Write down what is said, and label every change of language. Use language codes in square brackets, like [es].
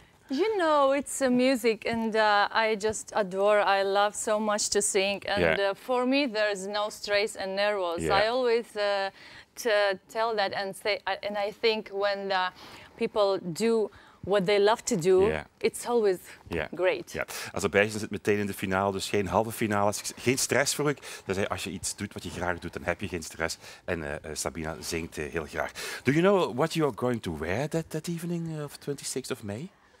[en] You know, it's music, and I just adore. I love so much to sing, and for me, there is no stress and nervous. Yeah. I always. To tell that and say, and I think when the people do what they love to do, it's always great. [nl] Ja. Azerbeidzjan zit meteen in de finale, dus geen halve finale. Geen stress voor ik. Als je iets doet wat je graag doet, dan heb je geen stress. En Sabina zingt heel graag. [en] Do you know what you are going to wear that evening of 26th of May?